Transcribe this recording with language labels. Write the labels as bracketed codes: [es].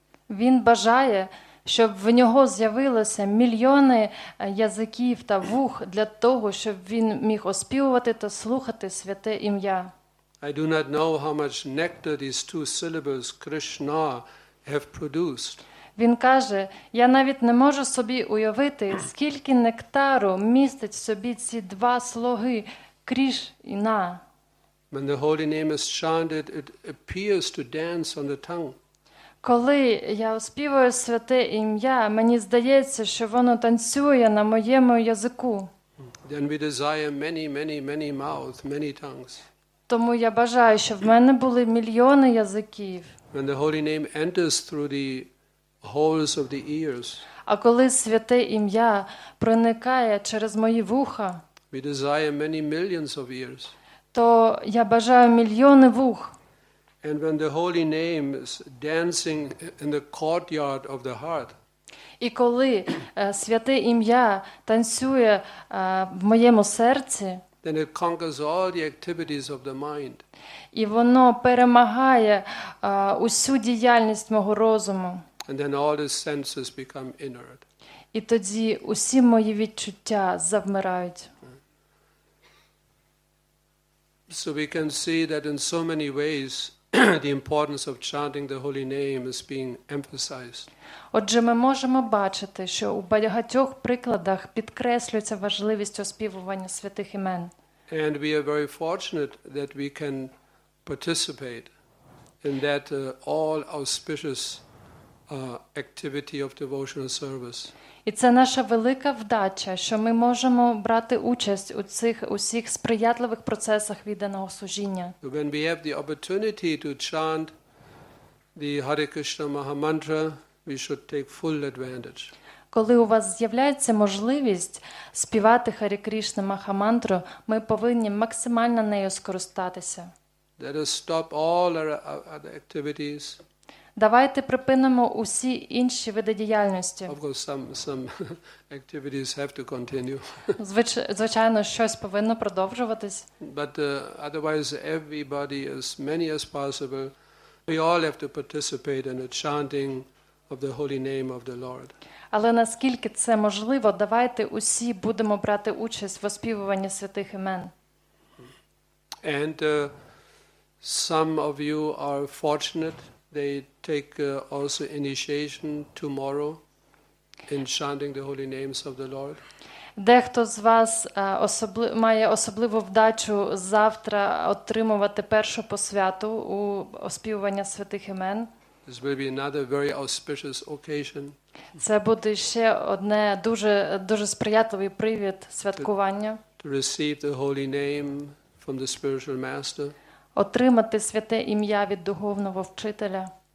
[uk] Він бажає, щоб в нього з'явилося мільйони язиків та вух для того, щоб він міг оспівувати та слухати святе ім'я. [en] I do not know how much nectar these two syllables Krishna have produced. [uk] Він каже: "Я навіть не можу собі уявити, скільки нектару містить в собі ці два слоги Кришна". [en] When the holy name is chanted, it appears to dance on the tongue. [uk] Коли я оспіваю святе ім'я, мені здається, що воно танцює на моєму язику. [en] Then we desire many, many, many mouths, many tongues. [uk] Тому я бажаю, щоб в мене були мільйони язиків. [en] When the holy name enters through the holes of the ears. [uk] А коли святе ім'я проникає через мої вуха, [en] we desire many millions of ears. [uk] То я бажаю мільйони вух. [en] And when the holy name is dancing in the courtyard of the heart. [uk] І коли святе ім'я танцює в моєму серці, [en] then it conquers all the activities of the mind. [uk] І воно перемагає усю діяльність мого розуму. [en] And then all the senses become inert. [uk] І тоді усі мої відчуття завмирають. [en] So we can see that in so many ways the importance of chanting the holy name is being emphasized. [uk] Отже, ми можемо бачити, що у багатьох прикладах підкреслюється важливість оспівування святих імен. [en] And we are very fortunate that we can participate in that all auspicious activity of devotional service. [uk] І це наша велика вдача, що ми можемо брати участь у цих усіх сприятливих процесах відданого служіння. [en] When we have the opportunity to chant the Hare Krishna Mahamantra, we should take full advantage. [uk] Коли у вас з'являється можливість співати Харе Кришна Махамантру, ми повинні максимально нею скористатися. [en] Let us stop all our activities. [uk] Давайте припинимо усі інші види діяльності. [en] Of course, some activities have to continue. [uk] Звичайно, щось повинно продовжуватись. [en] But otherwise everybody, as many as possible, we all have to participate in the chanting of the holy name of the Lord. [uk] Але наскільки це можливо, давайте усі будемо брати участь в оспівуванні святих імен. [en] And some of you are fortunate. They take also initiation tomorrow in chanting the holy names of the Lord. [uk] Дехто з вас має особливу вдачу завтра отримувати першу посвяту у оспівування святих імен. [en] This will be another very auspicious occasion. [uk] Це буде ще одне дуже сприятливий привід святкування. [en] To receive the holy name from the spiritual master. [uk] Отримати святе ім'я від духовного вчителя.